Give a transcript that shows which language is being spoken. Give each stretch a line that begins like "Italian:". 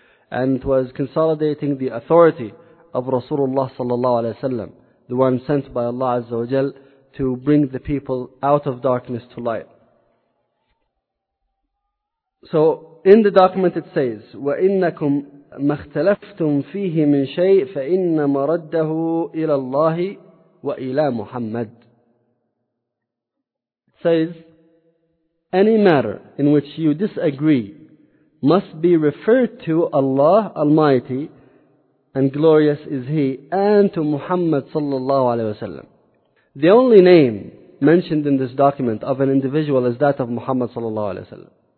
English: And it was consolidating the authority of Rasulullah ﷺ, the one sent by Allah Azza wa Jal to bring the people out of darkness to light. So, in the document it says,
Arabic: وَإِنَّكُمْ ما اختلفتم فيه من شيء فإنما رده إلى الله وإلى محمد.
English: Says, any matter in which you disagree must be referred to Allah Almighty, and glorious is He, and to Muhammad sallallahu alaihi wasallam. The only name mentioned in this document of an individual is that of Muhammad sallallahu alaihi wasallam.